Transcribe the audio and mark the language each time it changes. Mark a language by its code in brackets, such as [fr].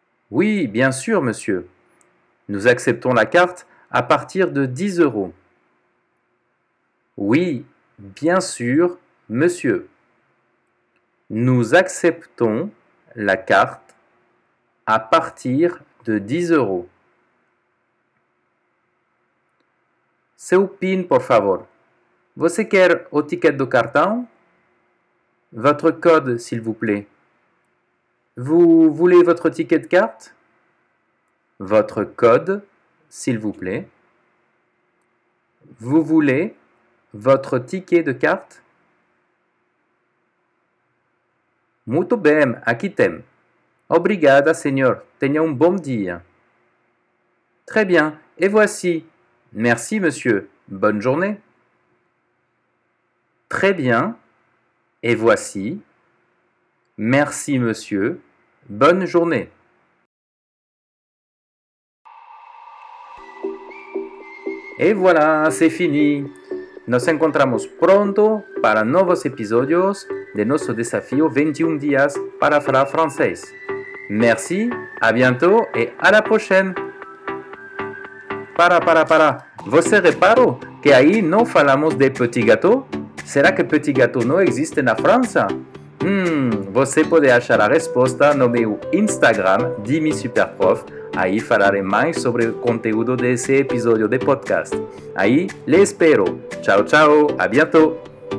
[fr] Oui, bien sûr, monsieur. Nous acceptons la carte à partir de 10 euros. Oui, bien sûr, monsieur. Nous acceptons la carte à partir de 10 euros. [pt] Seu PIN, por favor. Você quer o ticket do cartão? [fr] Votre code, s'il vous plaît. Vous voulez votre ticket de carte? Votre code, s'il vous plaît. Vous voulez votre ticket de carte? [pt] Muito bem, aqui tem. Obrigada, senhor. Tenha bom dia. [fr] Très bien, et voici. Merci, monsieur. Bonne journée. Très bien, et voici. Merci, monsieur. Bonne journée. Et voilà, c'est fini. [pt] Nos encontramos pronto para novos episódios de nosso desafio 21 dias para falar francês. [fr] Merci, à bientôt et à la prochaine. [pt] Para. Você reparou que aí não falamos de petit gâteau? Será que petit gâteau não existe na França? Você pode achar a resposta no meu Instagram, DimiSuperProf. Aí falarei mais sobre o conteúdo desse episódio de podcast. Aí, lhe espero. Tchau, tchau. [fr] À bientôt.